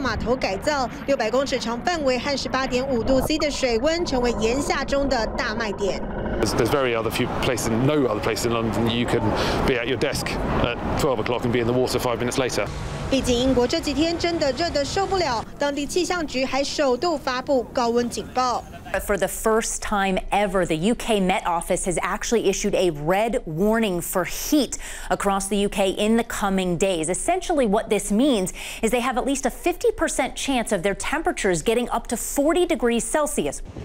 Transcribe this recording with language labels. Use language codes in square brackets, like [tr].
[zh] 原来这座泳池是由金丝雀商业区一座220年旧码头改造，600公尺长范围和18.5度C 的水温，成为炎夏中的大卖点。 [en] There's very other few places, no other place in London you can be at your desk at 12 o'clock and be in the water 5 minutes later. [zh] 毕竟英国这几天真的热得受不了，当地气象局还首度发布高温警报。 [en] For the first time ever, the UK Met Office has actually issued a red warning for heat across the UK in the coming days. Essentially, what this means is they have at least a 50% chance of their temperatures getting up to 40 degrees Celsius.